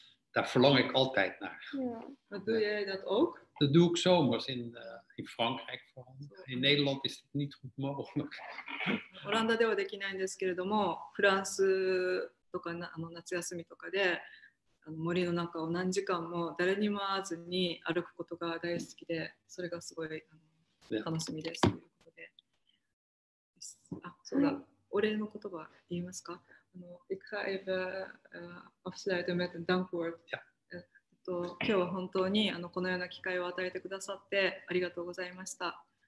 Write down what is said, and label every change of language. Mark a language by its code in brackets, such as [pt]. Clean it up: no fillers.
[nl] Daar verlang ik altijd naar. Ja. Wat doe jij dat ook? Dat doe ik zomers in Frankrijk. In Nederland is het niet goed mogelijk. [ja] オランダではできないんですけれども、フランスとか夏休みとかで森の中を何時間も誰にも会わずに歩くことが大好きで、それがすごい楽しみです。あ、そうだ。お礼の言葉言いますか？ [nl] Ik ga even afsluiten met een dankwoord. Ja. [ja] 今日は本当にこのような機会を与えてくださってありがとうございました。